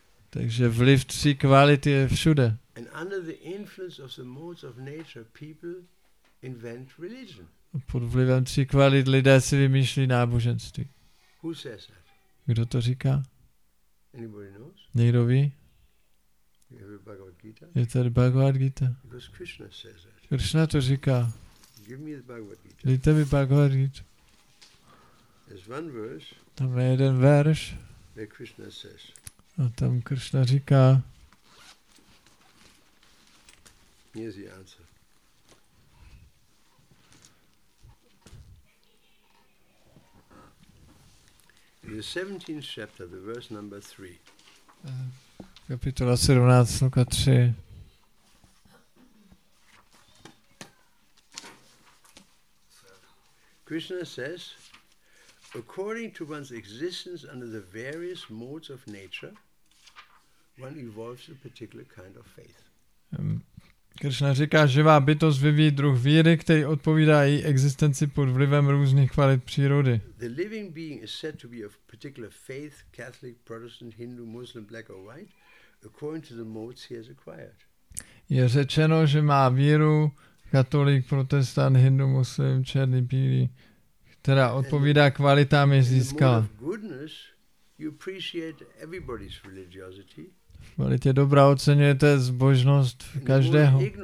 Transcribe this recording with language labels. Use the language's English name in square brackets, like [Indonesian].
[Czech] Takže vliv tří kvality je všude. [English] And under the influence of the modes of nature, people invent religion. [Czech] Pod vlivem tří kvalit lidé si vymýšlí náboženství. [English] Who says that? [Czech] Kdo to říká? [English] Anybody knows? [Czech] Někdo ví? [English] Bhagavad Gita? [Czech] Je tady Bhagavad Gita? [English] Because Krishna says that. [Czech] Krishna to říká. [English] Give me the Bhagavad Gita. [Czech] Dejte mi Bhagavad Gita. [English] There's one verse. [Czech] Tam je jeden verš. [English] Where Krishna says. [Czech] A tam Krishna říká. [English] Here's the answer. The 17th chapter, the verse number 3. [Czech] Kapitola 17, sloka 3. [English] Krishna says, according to one's existence under the various modes of nature, one evolves a particular kind of faith. [Czech] Krishna říká, živá bytost vyvíjí druh víry, který odpovídá její existenci pod vlivem různých kvalit přírody. [English] The living being is said to be of particular faith, Catholic, Protestant, Hindu, Muslim, black or white, according to the modes he has acquired. [Czech] Je řečeno, že má víru katolík, protestant, hindu, muslim, černý, bílý, která odpovídá kvalitám, je získala. [English] In the mode of goodness, you appreciate everybody's religiosity. [Czech] Kvalitě dobrá oceňujete zbožnost každého.